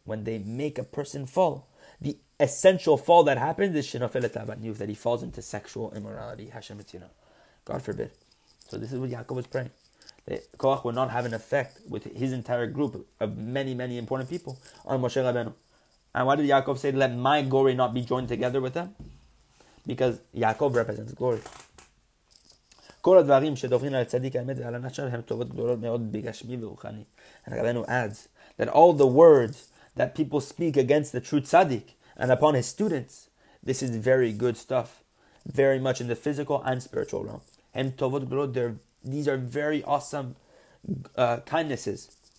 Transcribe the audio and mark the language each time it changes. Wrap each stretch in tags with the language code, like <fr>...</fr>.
<en>When they make a person fall, the essential fall that happens is that he falls into sexual immorality. God forbid. So this is what Yaakov was praying. That Koach would not have an effect with his entire group of many, many important people on Moshe Rabbeinu. And why did Yaakov say, let my glory not be joined together with them? Because Yaakov represents glory.</en> <he>כל הדברים שדוברים על הצדיק האמת ועל הנשאר הם טובות גדולות מאוד בגשמי ורוחני.</he> <en>And Rabbeinu adds that all the words that people speak against the true tzaddik and upon his students, this is very good stuff, very much in the physical and spiritual realm.</en> <he>הם טובות גדולות,</he> <en>these are very awesome kindnesses.</en>